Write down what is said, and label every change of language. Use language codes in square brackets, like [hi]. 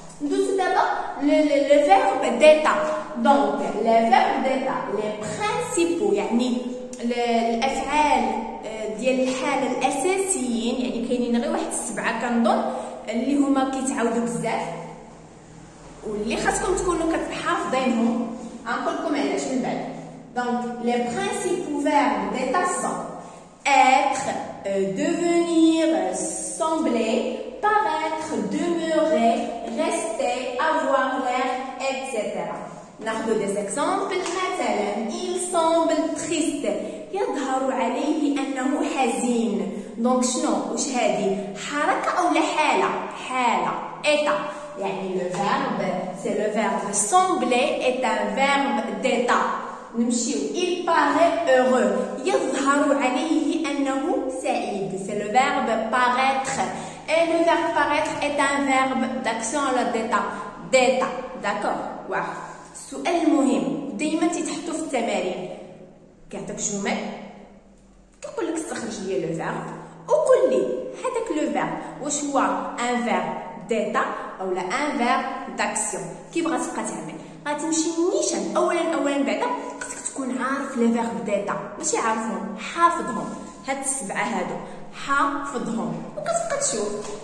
[ar] ندوز دابا [fr] لو فيرب ديتا. [ar] دونك لو فيرب ديتا لي برانسيبو يعني الافعال ديال الحالة الاساسيين، يعني كاينين غير واحد السبعة كنظن اللي هما كيتعاودو بزاف واللي خاصكم تكونوا كتحافظينهم. غنقولكم علاش من بعد. [fr] دونك لي برانسيبو فيرب ديتا سون être, devenir, sembler, paraître, demeurer, rester, avoir l'air, etc. [ar] نحن [fr] des exemples [ar] مثلا [fr] il semble triste [ar] يظهر عليه انه حزين. دونك شنو واش هادي حركه او حاله؟ حاله ايتا. [fr] يعني le verbe c'est le verbe sembler est un verbe d'état. [ar] نمشيو [fr] il paraît heureux [ar] يظهر عليه انه سعيد. [fr] c'est le verbe paraître et le verbe paraître est un verbe d'action à la d'état d'état. d'accord. [ar] واه السؤال مهم دائما تيتحطوا في التمارين. كيعطيك جمل كيقول لك استخرج لي لو فيرب وقول لي هذاك لو فيرب واش هو ان فيرب d'état او لا ان فيرب d'action. كيف غتبقى تعمل؟ غتمشي نيشان اولا بعدا خصك تكون عارف لي فيرب ديتا، ماشي عارفهم، حافظهم هاد السبعه هادو حافظهم وكتبقى تشوف.